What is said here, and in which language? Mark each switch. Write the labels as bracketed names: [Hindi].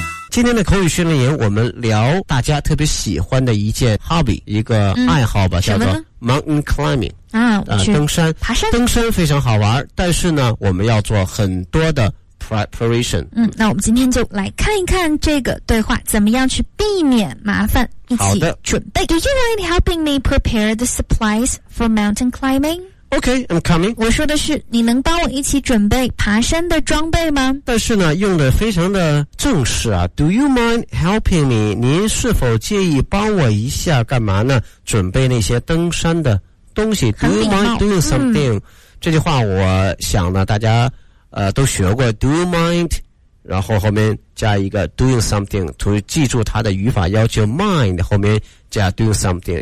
[Chinese] 今天的口语训练营我们聊大家特别喜欢的一件 hobby， 一个爱好吧，叫做 mountain climbing。登山，爬山，登山非常好玩，但是呢我们要做很多的preparation。那我们今天就来看一看这个对话怎么样去避免麻烦，一起准备。好的。 [English] Do you mind helping me prepare the supplies for mountain climbing? Okay, I'm coming. [Chinese] 我说的是你能帮我一起准备爬山的装备吗？但是呢用得非常的正式啊。 [English] Do you mind helping me? [Chinese] 您是否介意帮我一下干嘛呢？准备那些登山的东西。 [English] Do you mind doing something? [Chinese] 这句话我想呢大家都学过 [English] do you mind， [Chinese] 然后后面加一个 [English] doing something， [Chinese] 就记住它的语法要求 mind 后面加 doing something。